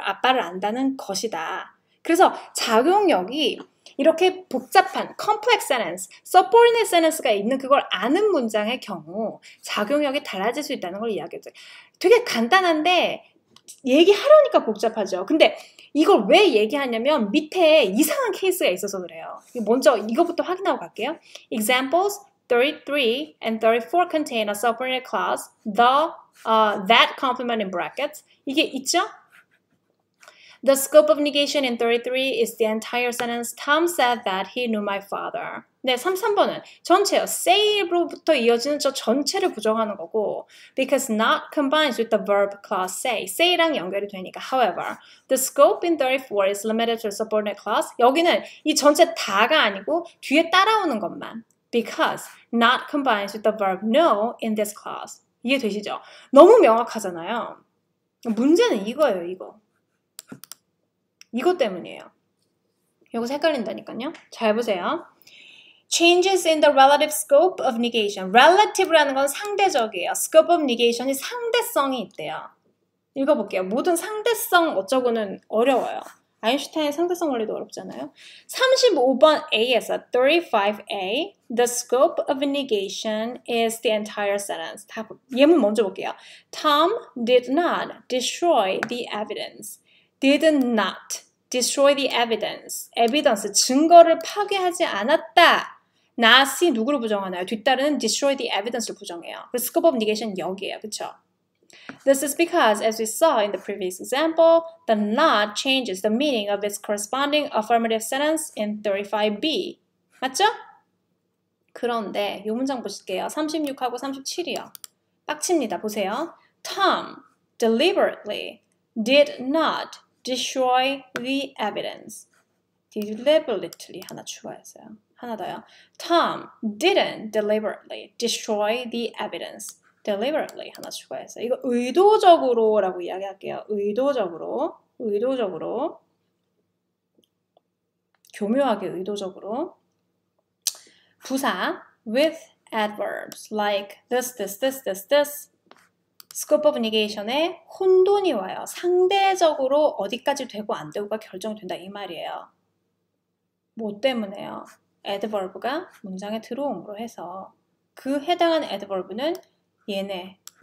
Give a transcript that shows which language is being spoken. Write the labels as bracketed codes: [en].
[ko] 아빠를 안다는 것이다. 그래서 작용력이 이렇게 복잡한 complex sentence, subordinate sentence가 있는 그걸 아는 문장의 경우 작용력이 달라질 수 있다는 걸 이야기했죠. 되게 간단한데 얘기하려니까 복잡하죠. 근데 이걸 왜 얘기하냐면 밑에 이상한 케이스가 있어서 그래요. 먼저 이것부터 확인하고 갈게요. [en] Examples 33 and 34 contain a subordinate clause, the, that complement in brackets. [ko] 이게 있죠? [en] The scope of negation in 33 is the entire sentence. Tom said that he knew my father. [ko] 네, 33번은 전체요. say로부터 이어지는 저 전체를 부정하는 거고 [en] because not combines with the verb clause say. [ko] say랑 연결이 되니까. [en] However, the scope in 34 is limited to a subordinate clause. [ko] 여기는 이 전체 다가 아니고 뒤에 따라오는 것만. [en] Because not combines with the verb know in this clause. [ko] 이해되시죠? 너무 명확하잖아요. 문제는 이거예요, 이거. 이것 때문이에요. 여기서 헷갈린다니까요. 잘 보세요. [en] Changes in the relative scope of negation. [ko] Relative라는 건 상대적이에요. Scope of negation이 상대성이 있대요. 읽어볼게요. 모든 상대성 어쩌고는 어려워요. 아인슈타인의 상대성 원리도 어렵잖아요. [en] 35번 A에서 35A, the scope of negation is the entire sentence. [ko] 다 예문 먼저 볼게요. [en] Tom did not destroy the evidence. Did not destroy the evidence. Evidence, [ko] 증거를 파괴하지 않았다. Not이 누구를 부정하나요? 뒤따르는 destroy the evidence를 부정해요. 그 scope of negation 여기에요. 그쵸? [en] This is because, as we saw in the previous example, the not changes the meaning of its corresponding affirmative sentence in 35b. [ko] 맞죠? 그런데 이 문장 보실게요. 36하고 37이요. 빡칩니다. 보세요. [en] Tom deliberately did not destroy the evidence. Deliberately [ko] 하나 추가했어요. 하나 더요. [en] Tom didn't deliberately destroy the evidence. [ko] Deliberately 하나 추가했어요. 이거 의도적으로라고 이야기할게요. 의도적으로, 의도적으로, 교묘하게 의도적으로. [en] 부사 with adverbs like this, this, this, this, this. [ko] Scope of negation에 혼돈이 와요. 상대적으로 어디까지 되고 안 되고가 결정된다 이 말이에요. 뭐 때문에요? Adverb가 문장에 들어옴으로 해서 그 해당한 adverb는 얘네.